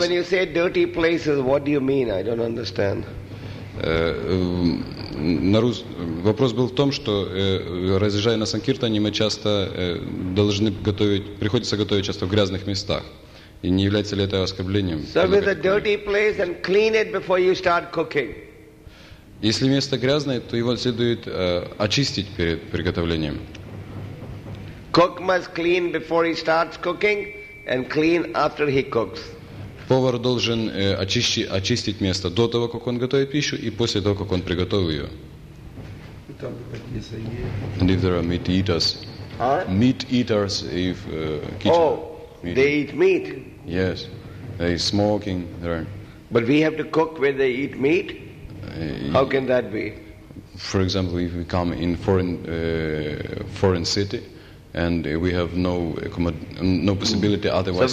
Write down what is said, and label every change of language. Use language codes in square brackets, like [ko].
[en] when you say dirty places, what do you mean? I don't understand. [ru] Вопрос был в том, что разъезжая на Санкиртане, мы часто должны готовить, приходится готовить часто в грязных местах. И не является ли это оскорблением? [en] So with a dirty place and clean it before you start cooking. [ru] Если место грязное, то его следует очистить перед приготовлением. [en] Cook must clean before he starts cooking and clean after he cooks. [ru] Повар должен очистить место до того, как он готовит пищу, и после того, как он приготовил ее. [en] And if there are meat eaters, meat eaters, if kitchen. Oh, they eat meat. Yes, they smoking there. But we have to cook when they eat meat. How can that be? For example, if we come in foreign city, and we have no possibility otherwise.